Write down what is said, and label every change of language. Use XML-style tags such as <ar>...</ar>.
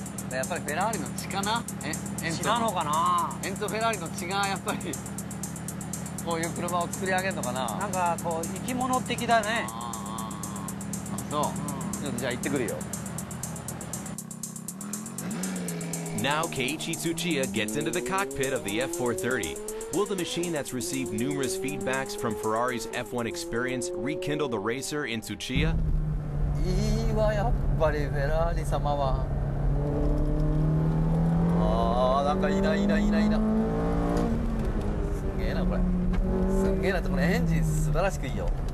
<ja>やっぱりフェラーリの血かな、血なのかな、エンツォ・フェラーリの血がやっぱりこういう車を作り上げるのかな。なんかこう生き物的だね。そう、ちょっとじゃあ行ってくるよ。</ja> <en>Now Keiichi Tsuchiya gets into the cockpit of the F430. Will the machine that's received numerous feedbacks from Ferrari's F1 experience rekindle the racer in Tsuchiya?</en> <ja>いいわ、やっぱりフェラーリ様は。なんかいいな、いいな、いいな、いいな。すげえな、これ。すげえな、このエンジン素晴らしくいいよ。</ja>